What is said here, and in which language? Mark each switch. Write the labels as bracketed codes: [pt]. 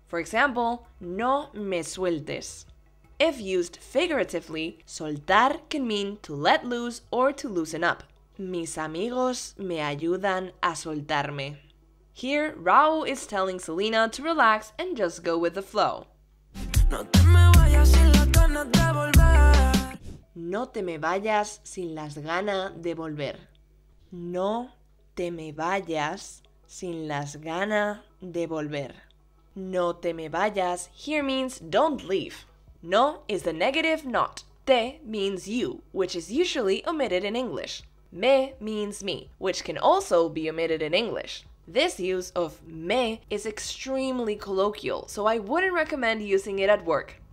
[en] For example, [es] no me sueltes. [en] If used figuratively, soltar can mean to let loose or to loosen up. [es] Mis amigos me ayudan a soltarme. [en] Here, Raúl is telling Selena to relax and just go with the flow. [es] No te me vayas sin las ganas de volver. No te me vayas sin las ganas de volver. No te me vayas sin las ganas de volver. No te me vayas [en] here means don't leave. No is the negative not. Te means you, which is usually omitted in English. Me means me, which can also be omitted in English. This use of me is extremely colloquial, so I wouldn't recommend using it at work.